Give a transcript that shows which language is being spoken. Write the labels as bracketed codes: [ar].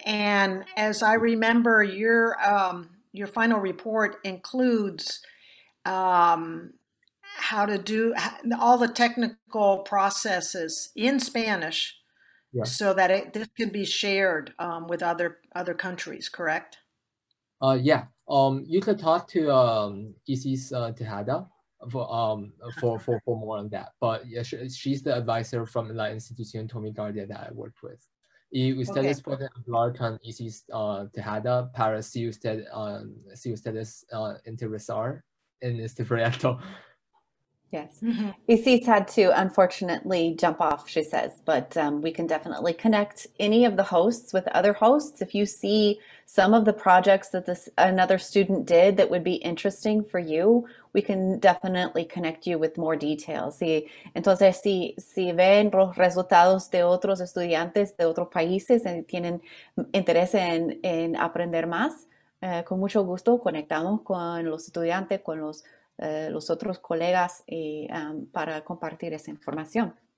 [en] And as I remember, your final report includes how to do all the technical processes in Spanish, yes, so that this could be shared with other countries, correct? You could talk to Isis Tejada for more on that. But yeah, she's the advisor from La Institución Tommy Guardia that I worked with. [es] Y ustedes okay. pueden hablar con Isis Tejada para si ustedes interesar en este proyecto. [en] Yes. Mm-hmm. Isis had to unfortunately jump off, she says, but we can definitely connect any of the hosts with other hosts. If you see some of the projects that another student did that would be interesting for you, we can definitely connect you with more details. [es] Sí. Entonces, si ven resultados de otros estudiantes de otros países y tienen interés en aprender más, con mucho gusto conectamos con los estudiantes, con los otros colegas para compartir esa información.